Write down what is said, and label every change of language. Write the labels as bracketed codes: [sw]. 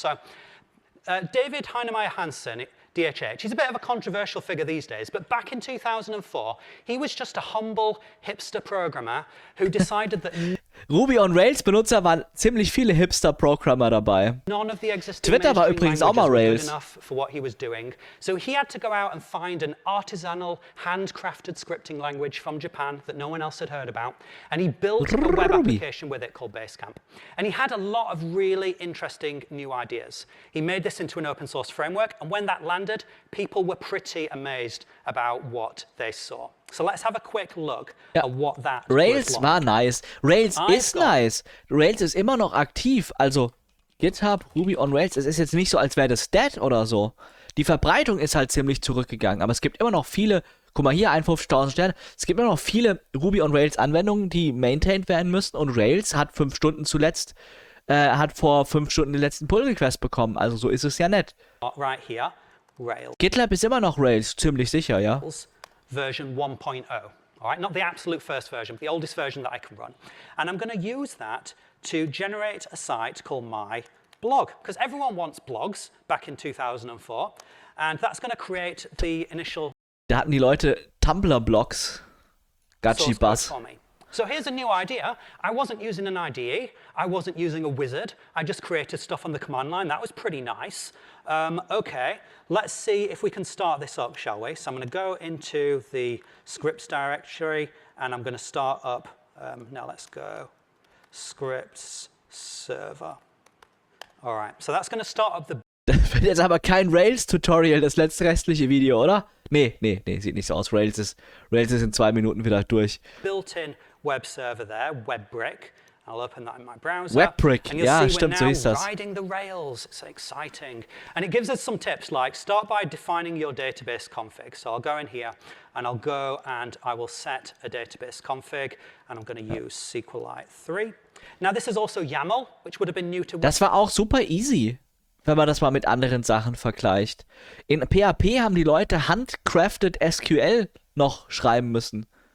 [en] So, David Heinemeier Hansen, DHH, he's a bit of a controversial figure these days, but back in 2004, he was just a humble hipster programmer who decided that... [de] Ruby on Rails Benutzer waren ziemlich viele Hipster Programmer dabei. Twitter war übrigens auch mal Rails. [en] For what he was doing. So he had to go out and find an artisanal handcrafted scripting language from Japan that no one else had heard about and he built a web application with it called Basecamp. And he had a lot of really interesting new ideas. He made this into an open source framework and when that landed, people were pretty amazed about what they saw. So let's have a quick look at what that [de] Rails war nice. Rails ist nice. Rails ist immer noch aktiv, also GitHub, Ruby on Rails, es ist jetzt nicht so, als wäre das dead oder so. Die Verbreitung ist halt ziemlich zurückgegangen, aber es gibt immer noch viele, guck mal hier, 51.000 Sterne, es gibt immer noch viele Ruby on Rails Anwendungen, die maintained werden müssen und Rails hat vor fünf Stunden den letzten Pull-Request bekommen, also so ist es ja nett. [en] Right here, Rails. [de] GitLab ist immer noch Rails, ziemlich sicher, ja. [en] Version 1.0, all right? Not the absolute first version, but the oldest version that I can run. And I'm going to use that to generate a site called my blog, because everyone wants blogs back in 2004. And that's going to create the initial... [de] Da hatten die Leute Tumblr-Blogs. Gachi Buzz. [en] So here's a new idea. I wasn't using an IDE. I wasn't using a wizard. I just created stuff on the command line. That was pretty nice. Okay, let's see if we can start this up, shall we? So I'm going to go into the scripts directory, and I'm going to start up. Now let's go scripts server. All right, so that's going to start up the... [de] Jetzt aber kein Rails-Tutorial, das letzte restliche Video, oder? Nee, sieht nicht so aus. Rails ist in 2 Minuten wieder durch. [en] Built-in web server there, Webbrick. I'll open that in my browser. [de] Webbrick, ja, stimmt, so ist das. [en] Riding the Rails, it's exciting. And it gives us some tips, like start by defining your database config. So I'll go in here and I'll go and I will set a database config and I'm going to use SQLite 3. Now this is also YAML, which would have been new to... [de] Das war auch super easy. Wenn man das mal mit anderen Sachen vergleicht. In PHP haben die Leute handcrafted SQL noch schreiben müssen.